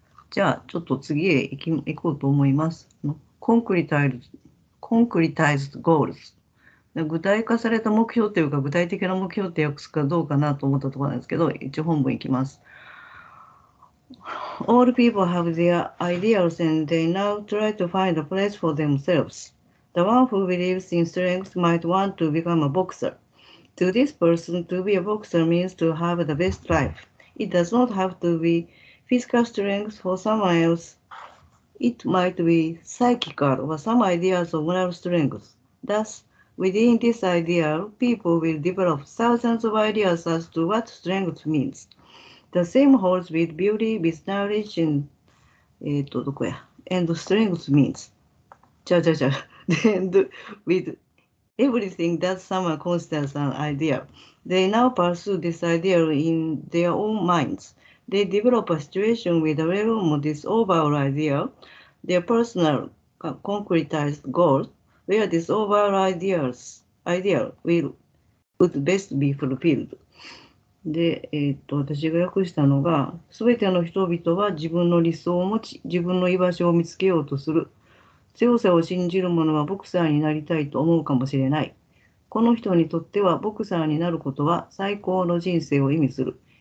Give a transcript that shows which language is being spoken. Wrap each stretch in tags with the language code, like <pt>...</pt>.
<ja>じゃあちょっと次へ行こうと思います。コンクリタイズゴールズ、具体化された目標というか具体的な目標って訳すかどうかなと思ったところなんですけど、一応本文いきます。</ja> <en>All people have their ideals and they now try to find a place for themselves. The one who believes in strength might want to become a boxer. To this person, to be a boxer means to have the best life. It does not have to be physical strength for someone else. It might be psychical or some ideas of moral strength. Thus, within this idea, people will develop thousands of ideas as to what strength means. The same holds with beauty, with knowledge, and,</en> <ja>どこや?</ja> <en>And strength means.</en> <ja>ちゃうちゃうちゃう。</ja> <en>And with everything that someone considers an idea, they now pursue this idea in their own minds. They develop a situation with a realm of this overall idea, their personal concretized goal, where this overall idea would best be fulfilled.</en> <ja>で、私が訳したのが、すべての人々は自分の理想を持ち、自分の居場所を見つけようとする。強さを信じる者はボクサーになりたいと思うかもしれない。この人にとってはボクサーになることは最高の人生を意味する。</ja>